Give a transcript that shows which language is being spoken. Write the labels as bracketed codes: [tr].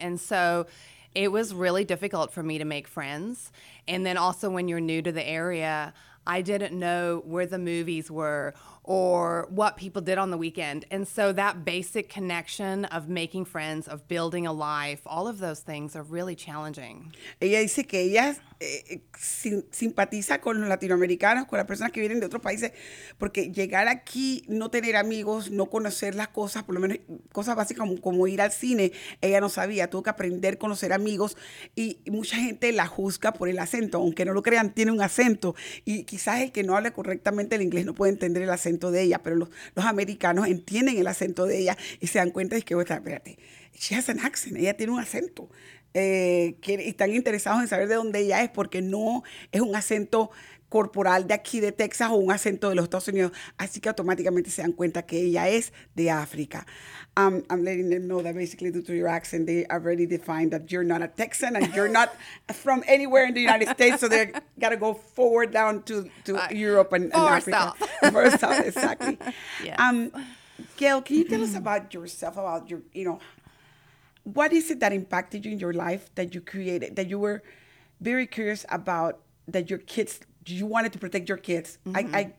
[en] And so it was really difficult for me to make friends. And then also when you're new to the area, I didn't know where the movies were or what people did on the weekend. And so that basic connection of making friends, of building a life, all of those things are really challenging. [es] Ella dice que ella simpatiza con los latinoamericanos, con las personas que vienen de otros países, porque llegar aquí, no tener amigos, no conocer las cosas, por lo menos cosas básicas como ir al cine, ella no sabía, tuvo que aprender a conocer amigos y mucha gente la juzga por el acento, aunque no lo crean, tiene un acento y quizás el que no hable correctamente el inglés no puede entender el acento de ella, pero los americanos entienden el acento de ella y se dan cuenta de que, espérate, [en] she has an accent, [es] ella tiene un acento. Que están interesados en saber de dónde ella es porque no es un acento corporal de aquí de Texas o un acento de los Estados Unidos, así que automáticamente se dan cuenta que ella es de África. [en] I'm letting them know that basically due to your accent, they already defined that you're not a Texan and you're not from anywhere in the United States, so they got to go forward down to Europe and Africa. For South, exactly. Yeah. Gayle, can you tell us about yourself, about your, you know, what is it that impacted you in your life that you created, that you were very curious about, that your kids, you wanted to protect your kids? Mm-hmm.